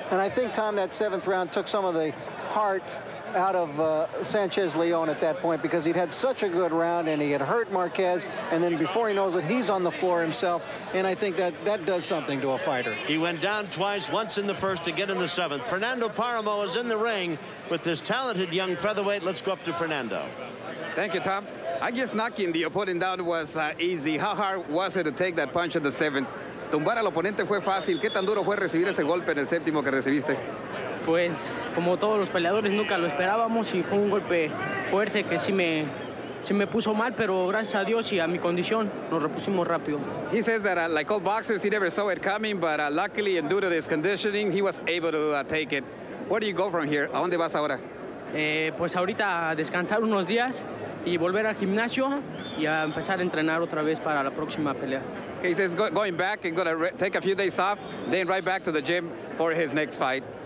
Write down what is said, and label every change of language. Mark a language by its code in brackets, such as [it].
[en] And I think, Tom, that seventh round took some of the heart out of Sanchez Leon at that point, because he'd had such a good round and he had hurt Marquez, and then before he knows it, he's on the floor himself, and I think that that does something to a fighter. He went down twice, once in the first, again in the seventh. Fernando Paramo is in the ring with this talented young featherweight. Let's go up to Fernando. Thank you, Tom. I guess knocking the opponent down was easy. How hard was it to take that punch in the seventh? [es] Tumbar al oponente fue fácil. ¿Qué tan duro fue recibir ese golpe en el séptimo que recibiste? Pues, como todos los peleadores, nunca lo esperábamos y fue un golpe fuerte que sí me puso mal, pero gracias a Dios y a mi condición, nos repusimos rápido. [en] He says that, like all boxers, he never saw it coming, but luckily and due to his conditioning, he was able to take it. Where do you go from here? [es] ¿A dónde vas ahora? Pues ahorita a descansar unos días y volver al gimnasio y a empezar a entrenar otra vez para la próxima pelea. [en] Okay, he says going back and gonna take a few days off, then right back to the gym for his next fight.